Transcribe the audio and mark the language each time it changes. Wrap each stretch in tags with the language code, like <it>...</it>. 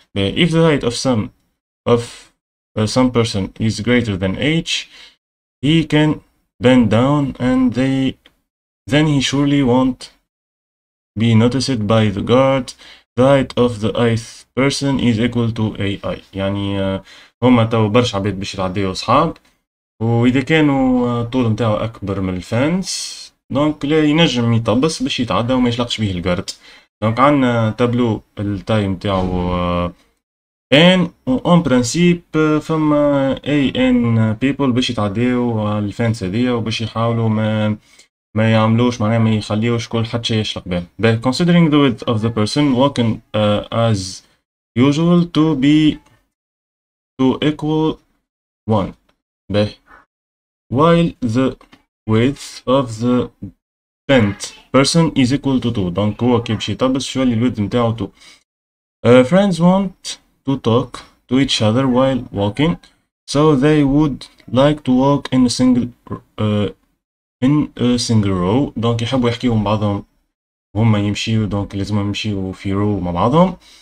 <en>If the height of some person is greater than H, he can bend down and then he surely won't be noticed by the guard. The height of the eighth person is equal to AI.</en> <ar>يعني هما تو برشا عباد باش يتعداو صحاب، وإذا كانوا الطول نتاعو أكبر من الفانس دونك لا ينجم يطبس باش يتعدى وما يشلقش به الجارد. دونك عندنا تابلو التايم نتاعو ان، وان برانسيب فما اي ان بيبل باش يتعداو الفانس هذيا وباش يحاولوا ما يعملوش، معناها ما يخليوش كل حد شي يشلق به.</ar> <en>باه considering the width of the person walking as usual to equal 1. باه while the width of the bent person is equal to 2.</en> <ar>دونك هو كي بشي طبس شوالي الويد متاعو 2.</ar> <en>Friends want to talk to each other while walking, so they would like to walk in a single row.</en> <ar>دونك يحبوا يحكيو مع بعضهم هما يمشيو، دونك لازم يمشيو في رو مع بعضهم.</ar>